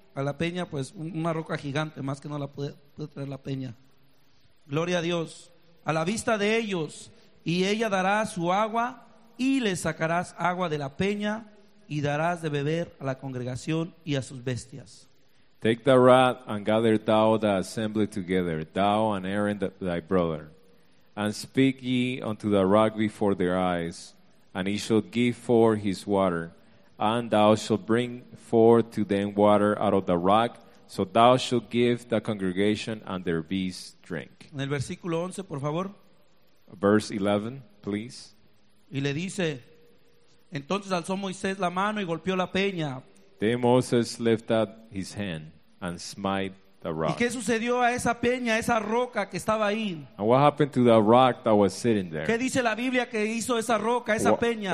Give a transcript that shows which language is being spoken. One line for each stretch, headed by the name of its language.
Spanish: A la peña, pues, una roca gigante, más que no la puede traer la peña. Gloria a Dios. A la vista de ellos, y ella dará su agua, y le sacarás agua de la peña, y darás de beber a la congregación y a sus bestias.
English: Take the rod and gather thou the assembly together, thou and Aaron thy brother, and speak ye unto the rock before their eyes, and he shall give forth his water, and thou shalt bring forth to them water out of the rock, so thou shalt give the congregation and their beasts drink.
Spanish: En el versículo 11, por favor.
English: Verse 11, please.
Spanish: Y le dice, entonces alzó Moisés la mano y golpeó la peña.
English: Then Moses lifted his hand and smite the rock.
Spanish: ¿Y qué sucedió a esa peña, esa roca que estaba ahí?
English: And what happened to the rock that was sitting there?
Spanish: ¿Qué dice la Biblia que hizo esa roca, esa peña?